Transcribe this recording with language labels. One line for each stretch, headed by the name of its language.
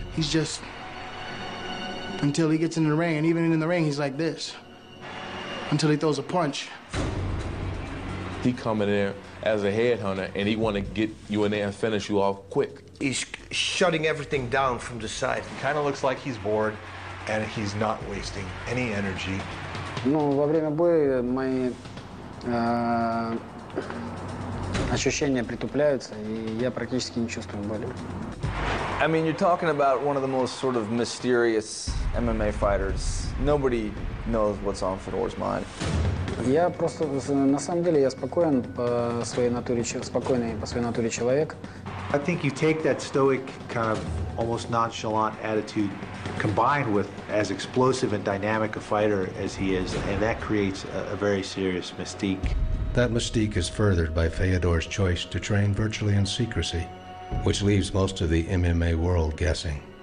English: He's just, until he gets in the ring, and even in the ring, he's like this. Until he throws a punch. He coming in as a headhunter and he wanna get you in there and finish you off quick. He's shutting everything down from the side. He kinda looks like he's bored and he's not wasting any energy.
Russian: Ну, во время боя мои ощущения притупляются, и я практически не чувствую боли.
English: I mean, you're talking about one of the most sort of mysterious MMA fighters. Nobody knows what's on Fedor's mind.
Russian: Я просто, на самом деле, я спокоен по своей натуре, спокойный по своей натуре человек.
English: I think you take that stoic, kind of almost nonchalant attitude, combined with as explosive and dynamic a fighter as he is, and that creates a very serious mystique. That mystique is furthered by Fedor's choice to train virtually in secrecy, which leaves most of the MMA world guessing.